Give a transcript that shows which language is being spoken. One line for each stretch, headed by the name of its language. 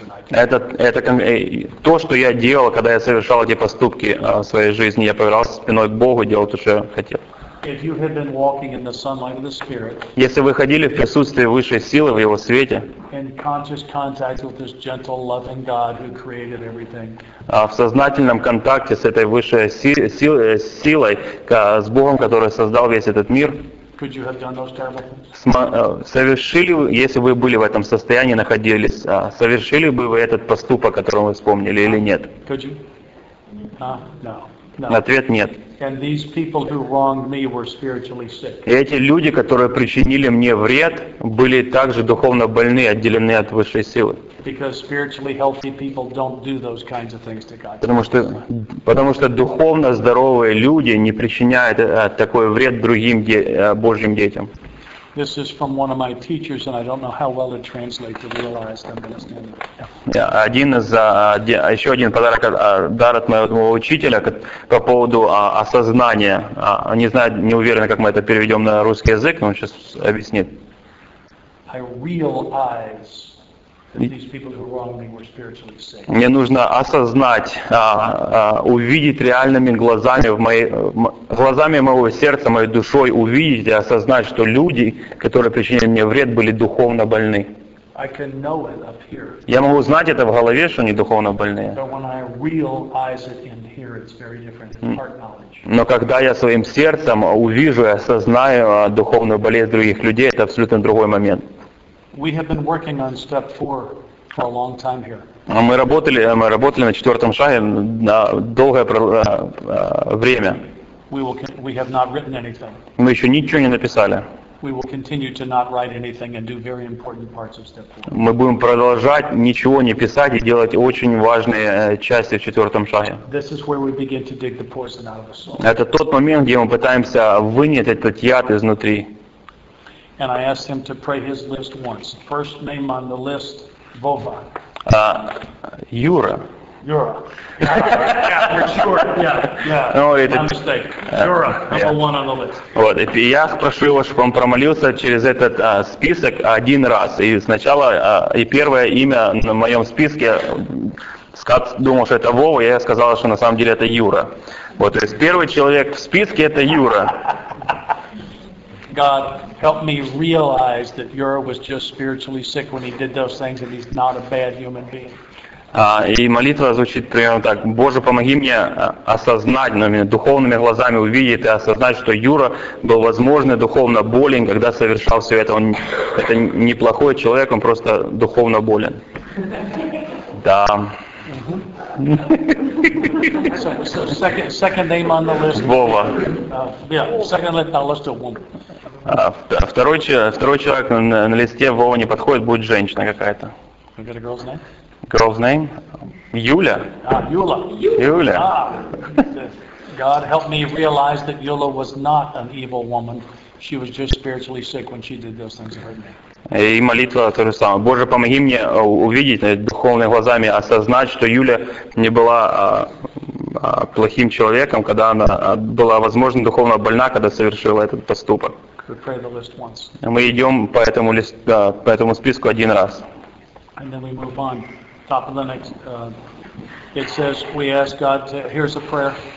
Russian: Это то, что я делал, когда я совершал эти поступки в своей жизни. Я повернулся спиной к Богу и делал то, что я хотел.
English: If you had been walking in the sunlight of the Spirit,
Russian: если вы ходили в присутствии высшей силы, в его свете,
English: in conscious contact with this gentle, loving God who created everything,
Russian: в сознательном контакте с этой высшей силой, с Богом, который создал весь этот мир,
English: could you have done those terrible things?
Russian: Совершили бы, если вы были в этом состоянии, находились, совершили бы вы этот поступок, о котором вы вспомнили, или нет?
English: Could you? No.
Russian: Ответ нет.
English: And these people who wronged me were spiritually sick.
Russian: И эти люди, которые причинили мне вред, были также духовно больны, отделены от высшей силы.
English: Because spiritually healthy people don't do those kinds of things to God.
Russian: Потому что духовно здоровые люди не причиняют такой вред другим Божьим детям.
English: This is from one of my teachers, and I don't know how well it translates to realize them.
Russian: Еще один подарок, дар от моего учителя по поводу осознания. Не знаю, не уверен, как мы это переведем на русский язык, но он сейчас объяснит.
English: I realize that these people who wronged me were spiritually sick.
Russian: Мне нужно осознать, увидеть реальными глазами глазами моего сердца, моей душой, увидеть и осознать, что люди, которые причинили мне вред, были духовно больны.
English: I can know it up here.
Russian: Я могу знать это в голове, что они духовно больные.
English: But when I realize it in here, it's very different. It's heart knowledge.
Russian: Но когда я своим сердцем увижу и осознаю духовную болезнь других людей, это абсолютно другой момент.
English: We have been working on step 4 for a long time here.
Russian: Мы работали на четвертом шаге на долгое время.
English: We have not written anything.
Russian: Мы еще ничего не написали.
English: We will continue to not write anything and do very important parts of step 4.
Russian: Мы будем продолжать ничего не писать и делать очень важные части в четвертом шаге.
English: This is where we begin to dig the poison out of the soul.
Russian: Это тот момент, где мы пытаемся вынять этот яд изнутри.
English: And I asked him to pray his list once. First name on the list, Vova.
Russian: Юра.
English: Юра. Yeah, you're sure. Yeah. No, it's a mistake. Юра, number one on the list.
Russian: Вот, и я прошу его, чтобы он промолился через этот список один раз. И сначала, и первое имя на моем списке, Скат думал, что это Вова, я сказал, что на самом деле это Юра. Вот, то есть первый человек в списке это Юра. God, help me realize that Yura was just spiritually sick when he did those things, and he's not a bad human being. И молитва звучит примерно так: Боже, помоги мне осознать, духовными глазами увидеть и осознать, что Юра был, возможно, духовно болен, когда совершал все это. Он это неплохой человек, он просто духовно болен. Да. Второй человек на листе Вова не подходит, будет женщина какая-то.
English: Girl's name?
Russian: Юля. Юля. Юля.
English: God helped me realize that Yula was not an evil woman. She was just spiritually sick when she did those things to hurt me.
Russian: И молитва то же самое. Боже, помоги мне увидеть духовными глазами, осознать, что Юля не была плохим человеком, когда она была, возможно, духовно больна, когда совершила этот поступок. Мы идем по этому листу, по этому списку один раз.
English: And then we move on. Top of the next. It says we ask God to, here's a prayer.